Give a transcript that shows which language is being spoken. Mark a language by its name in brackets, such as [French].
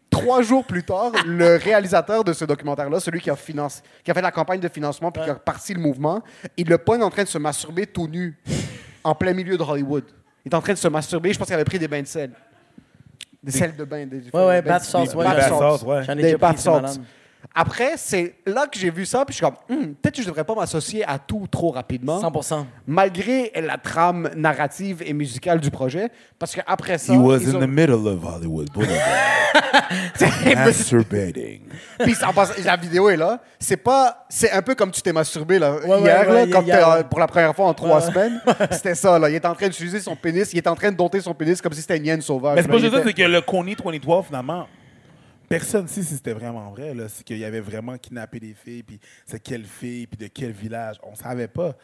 [French] Trois jours plus tard, le réalisateur de ce documentaire-là, celui qui a, financé, qui a fait la campagne de financement puis ouais. qui a parti le mouvement, il le pogne en train de se masturber tout nu en plein milieu de Hollywood. Il est en train de se masturber. Je pense qu'il avait pris des bains de sel. Des sels de bain. Ouais, bath salts. Ouais. Bath salts, ouais. J'en ai déjà pris, c'est malade. Après, c'est là que j'ai vu ça, puis je suis comme, peut-être que je ne devrais pas m'associer à tout trop rapidement. 100%. Malgré la trame narrative et musicale du projet, parce qu'après ça... [English] He was in the middle of Hollywood Boulevard. Masturbating. [French] Puis en passant, la vidéo est là. C'est un peu comme tu t'es masturbé là, pour la première fois en trois semaines. C'était ça, là. Il est en train d'utiliser son pénis. Il est en train de dompter son pénis comme si c'était une hyène sauvage. Mais c'est pas juste ça, c'est que le Connie 2012, finalement... Personne ne sait si c'était vraiment vrai, là, c'est qu'il y avait vraiment kidnappé des filles, puis c'est quelle fille, puis de quel village, on ne savait pas.